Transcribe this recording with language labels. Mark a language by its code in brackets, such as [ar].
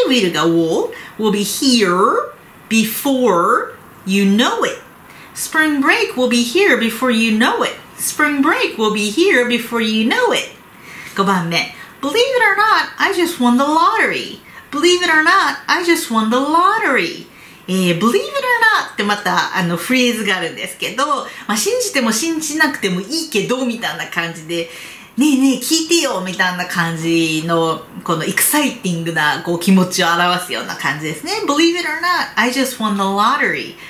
[en] will が will will be here before you know it. spring break will be here before you know it. spring break will be here before you know it. [ja] 5番目。 [en] believe it or not, I just won the lottery. believe it or not, I just won the lottery. believe it or not [ja] ってまたあのフレーズがあるんですけど、まあ、信じても信じなくてもいいけどみたいな感じで、ねえねえ聞いてよみたいな感じのこのエクサイティングなこう気持ちを表すような感じですね。 [en] believe it or not, I just won the lottery.